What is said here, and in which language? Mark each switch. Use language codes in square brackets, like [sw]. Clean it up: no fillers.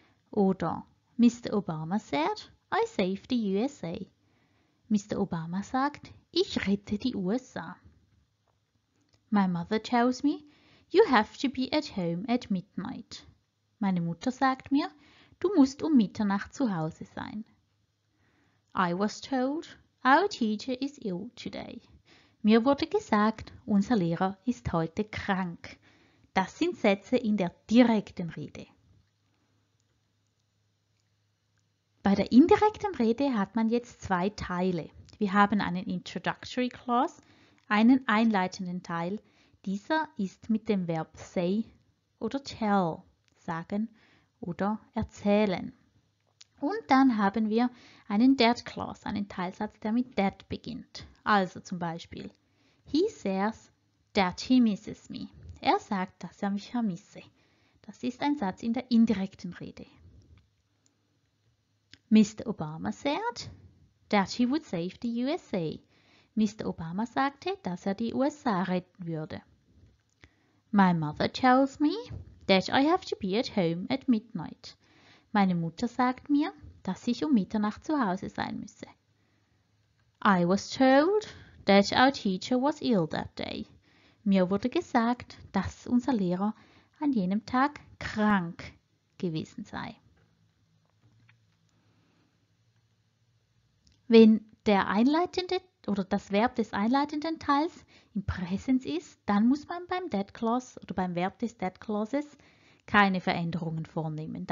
[de] Oder [en] Mr. Obama said, I saved the USA. Mr. [de] Obama sagt, ich rette die USA. [en] My mother tells me, you have to be at home at midnight. [de] Meine Mutter sagt mir, du musst um Mitternacht zu Hause sein. [en] I was told, our teacher is ill today. [de] Mir wurde gesagt, unser Lehrer ist heute krank. Das sind Sätze in der direkten Rede. Bei der indirekten Rede hat man jetzt zwei Teile. Wir haben einen Introductory Clause, einen einleitenden Teil. Dieser ist mit dem Verb say oder tell, sagen oder erzählen. Und dann haben wir einen that clause, einen Teilsatz, der mit that beginnt. Also zum Beispiel, [en] he says that he misses me. [de] Er sagt, dass er mich vermisse. Das ist ein Satz in der indirekten Rede. [en] Mr. Obama said that he would save the USA. Mr. [de] Obama sagte, dass er die USA retten würde. [en] My mother tells me that I have to be at home at midnight. [de] Meine Mutter sagt mir, dass ich um Mitternacht zu Hause sein müsse. [en] I was told that our teacher was ill that day. [de] Mir wurde gesagt, dass unser Lehrer an jenem Tag krank gewesen sei. Wenn der einleitende oder das Verb des einleitenden Teils im Präsens ist, dann muss man beim that clause oder beim Verb des that clauses keine Veränderungen vornehmen.